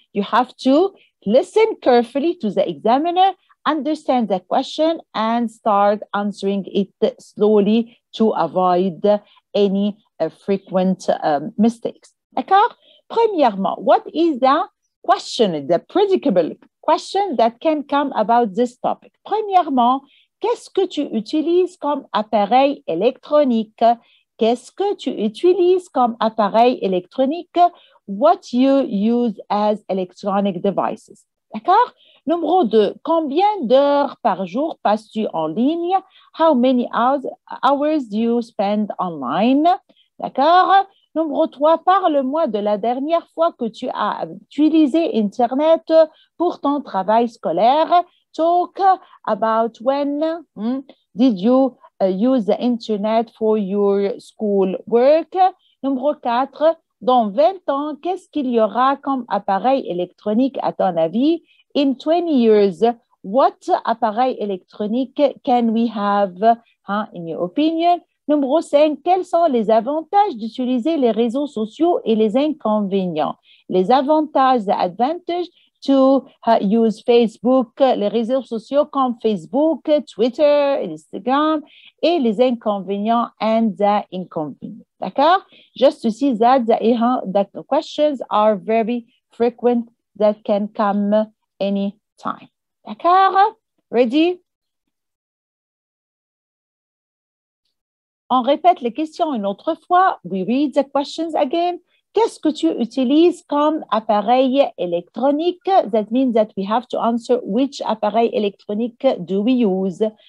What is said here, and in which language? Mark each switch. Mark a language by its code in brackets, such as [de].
[en] You have to listen carefully to the examiner, understand the question, and start answering it slowly to avoid any frequent mistakes. [fr] D'accord? Premièrement, [en] what is the question, the predictable question that can come about this topic? [fr] Premièrement, qu'est-ce que tu utilises comme appareil électronique? Qu'est-ce que tu utilises comme appareil électronique? [en] What you use as electronic devices? [fr] D'accord? Numéro 2. Combien d'heures par jour passes-tu en ligne? [en] How many hours do you spend online? [fr] D'accord? Numéro 3. Parle-moi de la dernière fois que tu as utilisé Internet pour ton travail scolaire. [en] Talk about when did you use the internet for your school work. [fr] Numéro 4, dans 20 ans, qu'est-ce qu'il y aura comme appareil électronique à ton avis? [en] In 20 years, what [fr] appareil électronique [en] can we have, in your opinion? [fr] Numéro 5, quels sont les avantages d'utiliser les réseaux sociaux et les inconvénients? Les avantages, [en] the advantage, to use [fr] Facebook, les réseaux sociaux comme Facebook, Twitter, Instagram, et les inconvénients [en] and the inconvenients. [fr] D'accord? [en] Just to see that the questions are very frequent that can come any time. [fr] D'accord? [en] Ready? [fr] On répète les questions une autre fois. [en] We read the questions again. [fr] Qu'est-ce que tu utilises comme appareil électronique? [en] That means that we have to answer which [fr] appareil électronique [en] do we use?